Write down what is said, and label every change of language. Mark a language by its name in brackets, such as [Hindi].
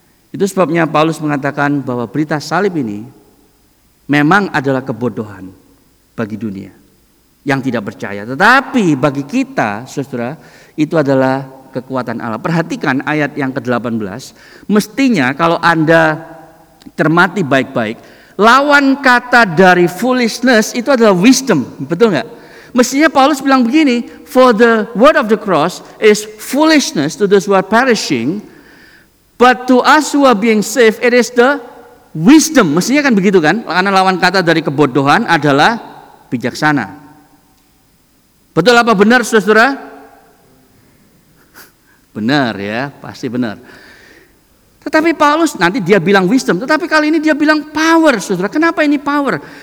[Indonesian] Itu sebabnya Paulus mengatakan bahwa berita salib ini memang adalah kebodohan bagi dunia yang tidak percaya. Tetapi bagi kita, saudara, itu adalah kekuatan Allah. Perhatikan ayat yang ke-18. Mestinya kalau Anda cermati baik-baik, lawan kata dari foolishness itu adalah wisdom. Betul gak? Mestinya Paulus bilang begini, [English] "For the word of the cross is foolishness to those who are perishing, but to us who are being saved, it is the wisdom." [Indonesian] Mestinya kan begitu kan? Karena lawan kata dari kebodohan adalah bijaksana. Betul apa benar, saudara? Benar ya, pasti benar. Tetapi Paulus, nanti dia bilang wisdom, tetapi kali ini dia bilang power, saudara. Kenapa ini power?